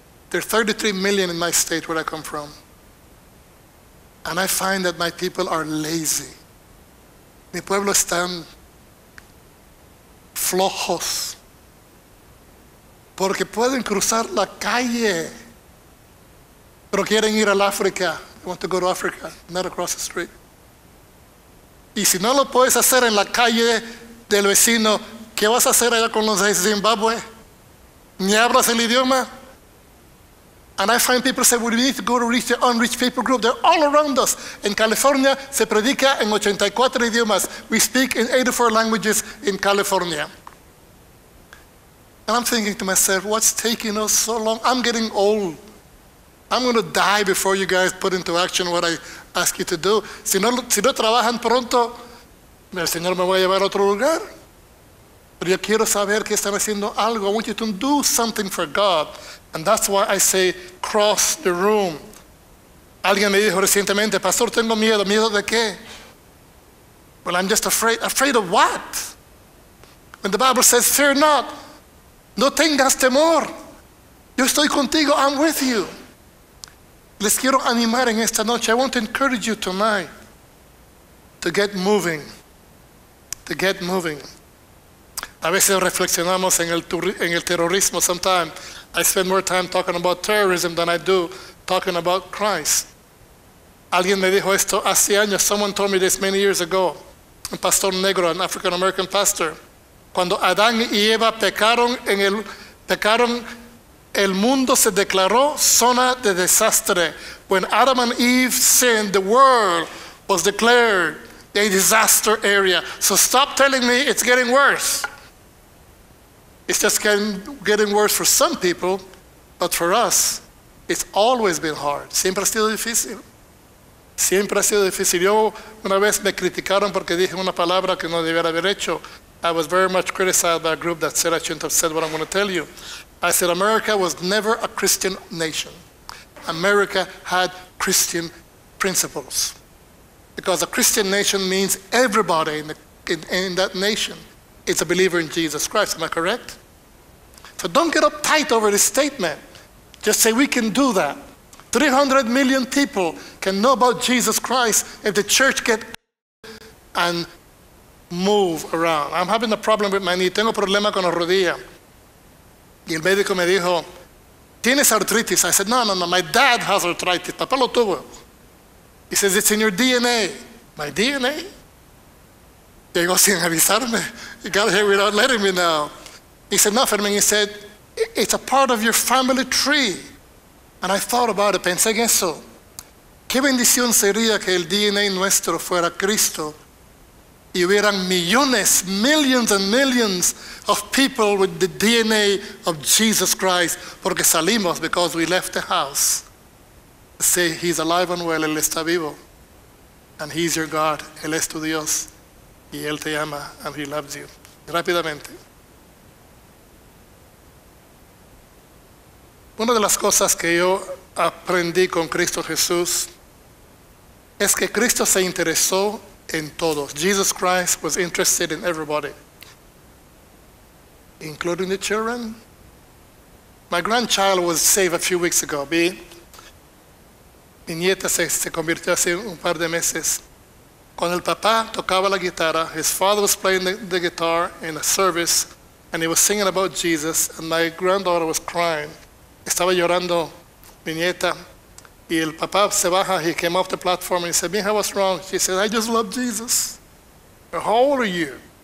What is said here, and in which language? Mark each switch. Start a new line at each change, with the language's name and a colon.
English: There are 33 million in my state where I come from. And I find that my people are lazy.
Spanish: Mi pueblo están flojos. Porque pueden cruzar la calle. Pero quieren ir al África.
English: They want to go to Africa, not across the street.
Spanish: Y si no lo puedes hacer en la calle del vecino, ¿qué vas a hacer allá con los de Zimbabue? ¿Ni hablas el idioma?
English: And I find people say, well, we need to go to reach the unreached people group. They're all around us.
Spanish: In California, se predica en 84 idiomas.
English: We speak in 84 languages in California. And I'm thinking to myself, what's taking us so long? I'm getting old. I'm going to die before you guys put into action what I ask you to do.
Spanish: Si no trabajan pronto, el Señor me va a llevar a otro lugar. Pero yo quiero saber que están haciendo algo.
English: I want you to do something for God. And that's why I say, cross the room.
Spanish: Alguien me dijo recientemente, Pastor, tengo miedo. ¿Miedo de qué?
English: Well, I'm just afraid. Afraid of what? When the Bible says, fear not.
Spanish: No tengas temor. Yo estoy contigo.
English: I'm with you.
Spanish: Les quiero animar en esta noche.
English: I want to encourage you tonight to get moving. To get moving.
Spanish: A veces reflexionamos en el terrorismo.
English: Sometimes I spend more time talking about terrorism than I do talking about Christ.
Spanish: Alguien me dijo esto hace años.
English: Someone told me this many years ago.
Spanish: Un pastor negro,
English: an African American pastor.
Spanish: Cuando Adán y Eva pecaron, el mundo se declaró zona de desastre.
English: When Adam and Eve sinned, the world was declared a disaster area. So stop telling me it's getting worse. It's just getting worse for some people, but for us, it's always been hard.
Spanish: Siempre ha sido difícil. Siempre ha sido difícil. Yo una vez me criticaron porque dije una palabra que no debiera haber hecho.
English: I was very much criticized by a group that said I shouldn't have said what I'm going to tell you. I said America was never a Christian nation. America had Christian principles. Because a Christian nation means everybody in that nation. It's a believer in Jesus Christ, am I correct? So don't get uptight over this statement. Just say we can do that. 300 million people can know about Jesus Christ if the church get and move around. I'm having a problem with my knee.
Spanish: Tengo problema con la rodilla. Y el médico me dijo, ¿tienes arthritis?
English: I said, no, my dad has arthritis.
Spanish: Papá lo tuvo.
English: He says, it's in your DNA. My DNA?
Spanish: Llegó sin avisarme.
English: He got here without letting me know. He said, no, Fermín. He said, it's a part of your family tree. And I thought about it.
Spanish: Pensé en eso. ¿Qué bendición sería que el DNA nuestro fuera Cristo? Y hubieran millones,
English: millions and millions of people with the DNA of Jesus Christ.
Spanish: Porque salimos,
English: because we left the house. Say, he's alive and well,
Spanish: él está vivo.
English: And he's your God,
Spanish: él es tu Dios. Y él te ama,
English: and he loves you.
Spanish: Rápidamente. Una de las cosas que yo aprendí con Cristo Jesús es que Cristo se interesó en todos.
English: Jesus Christ was interested in everybody, including the children. My grandchild was saved a few weeks ago.
Spanish: Mi nieta se convirtió hace un par de meses. Cuando el papá tocaba la guitarra,
English: his father was playing the guitar in a service, and he was singing about Jesus, and my granddaughter was crying.
Spanish: Estaba llorando mi nieta. Y el papá se baja,
English: he came off the platform and he said, Mija, what's wrong? She said, I just love Jesus. How old are you?